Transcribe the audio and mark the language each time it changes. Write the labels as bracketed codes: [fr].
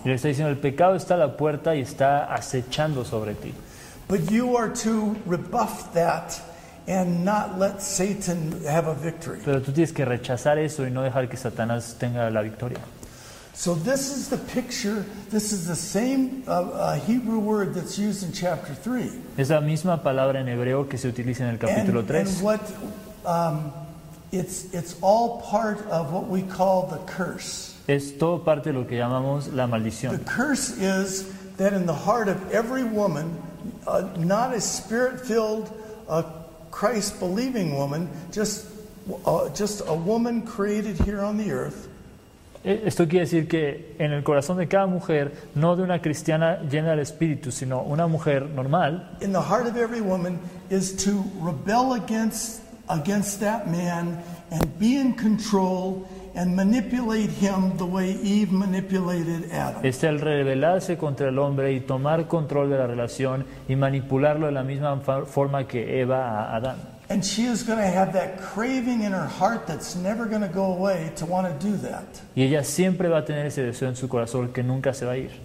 [es] Y le está diciendo, el pecado está a la puerta y está acechando sobre ti. [en] But you are to rebuff that and not let Satan have a victory. [es] Pero tú tienes que rechazar eso y no dejar que Satanás tenga la victoria. [en] So this is the picture. This is the same Hebrew word that's used in chapter 3. [es] Es la misma palabra en hebreo que se utiliza en el capítulo 3. [en] And what it's all part of what we call the curse. [es] Es todo parte de lo que llamamos la maldición. [en] The curse is that in the heart of every woman, not a spirit-filled, Christ-believing woman, just a woman created here on the earth. [es] Esto quiere decir que en el corazón de cada mujer, no de una cristiana llena del Espíritu, sino una mujer normal. [en] In the heart of every woman is to rebel against that man and be in control and manipulate him the way Eve manipulated Adam. [es] Es el rebelarse contra el hombre y tomar control de la relación y manipularlo de la misma forma que Eva a Adán. [en] And she is going to have that craving in her heart that's never going to go away to want to do that. [es] Y ella siempre va a tener ese deseo en su corazón que nunca se va a ir.